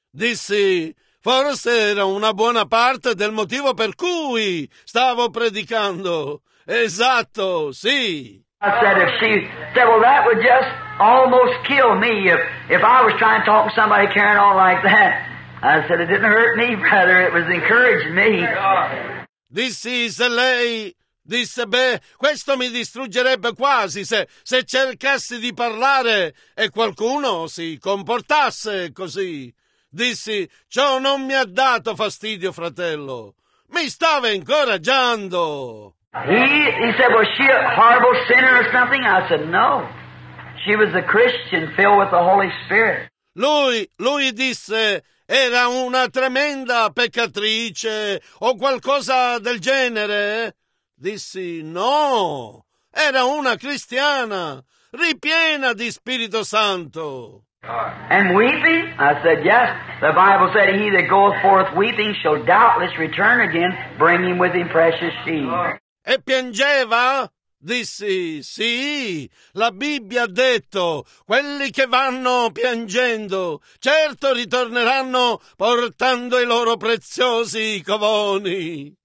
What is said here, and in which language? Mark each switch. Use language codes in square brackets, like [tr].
[it] Dissi, forse era una buona parte del motivo per cui stavo predicando. Esatto, sì. [en] I said, if she said, well, that would just almost kill me if I was trying to talk to somebody carrying on like that. I said, it didn't hurt me, brother. It was encouraging me. [it] Dissi, se lei disse, beh, questo mi distruggerebbe quasi se cercassi di parlare e qualcuno si comportasse così. Dissi, ciò non mi ha dato fastidio, fratello. Mi stava incoraggiando. [en] He said, was she a horrible sinner or something? I said, no. She was a Christian filled with the Holy Spirit. [it] Lui disse, era una tremenda peccatrice o qualcosa del genere? Dissi, no. Era una cristiana, ripiena di Spirito Santo. [en] And weeping? I said, yes. The Bible said, he that goeth forth weeping shall doubtless return again, bringing with him precious sheep. [it] E piangeva? Dissi, sì. La Bibbia ha detto, quelli che vanno piangendo, certo ritorneranno portando i loro preziosi covoni.